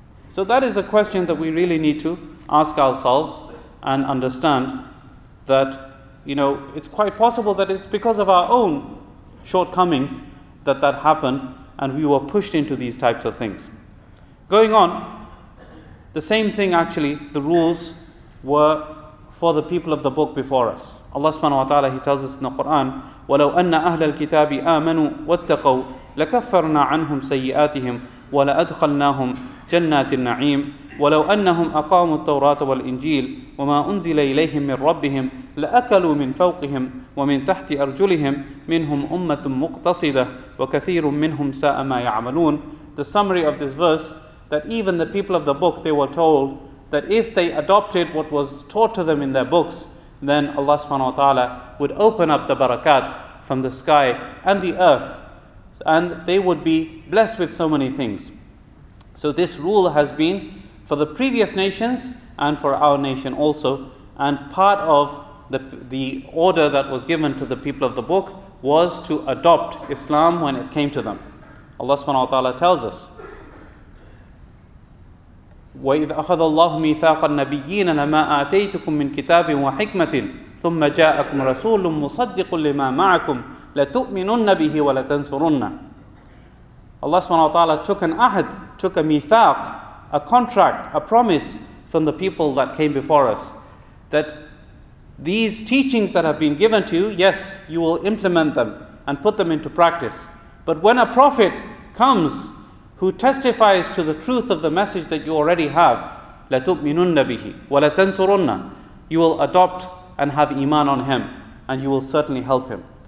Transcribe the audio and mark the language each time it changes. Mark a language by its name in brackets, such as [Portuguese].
[English] So that is a question that we really need to ask ourselves and understand that, you know, it's quite possible that it's because of our own shortcomings that happened and we were pushed into these types of things. Going on, the same thing actually, the rules were for the people of the book before us. [Arabic] Allah subhanahu wa ta'ala, He tells us in the Quran, وَلَوْ أَنَّ أَهْلَ الْكِتَابِ آمَنُوا وَاتَّقَوْا لَكَفَّرْنَا عَنْهُمْ سَيِّئَاتِهِمْ وَلَأَدْخَلْنَاهُمْ جَنَّاتِ النَّعِيمِ وَلَوْ أَنَّهُمْ أَقَامُوا التَّوْرَاةَ وَالْإِنْجِيلَ وَمَا أُنْزِلَ إِلَيْهِمْ مِنْ رَبِّهِمْ لَأَكَلُوا مِنْ فَوْقِهِمْ وَمِنْ تَحْتِ أَرْجُلِهِمْ مِنْهُمْ أُمَّةٌ مُقْتَصِدَةٌ وَكَثِيرٌ مِنْهُمْ سَاءَ مَا يَعْمَلُونَ. [English] The summary of this verse, that even the people of the book, they were told that if they adopted what was taught to them in their books, then Allah subhanahu wa ta'ala would open up the barakat from the sky and the earth, and they would be blessed with so many things. So this rule has been for the previous nations and for our nation also, and part of the order that was given to the people of the book was to adopt Islam when it came to them. [Arabic] Allah subhanahu wa ta'ala tells us, وَإِذْ أَخَذَ اللَّهُ مِيثَاقَ النَّبِيِّينَ لَمَا آتَيْتُكُم مِّن كِتَابٍ وَحِكْمَةٍ ثُمَّ جَاءَكُمْ رَسُولٌ مُصَدِّقٌ لِمَا مَعَكُمْ لَتُؤْمِنُنَّ بِهِ وَلَتَنْصُرُنَّ. [English] Allah subhanahu wa ta'ala took an ahd, took a mithaq, a contract, a promise from the people that came before us, that these teachings that have been given to you, yes, you will implement them and put them into practice. But when a prophet comes who testifies to the truth of the message that you already have, [Arabic] لَتُؤْمِنُنَّ بِهِ وَلَتَنْصُرُنَّ, [English] you will adopt and have iman on him, and you will certainly help him.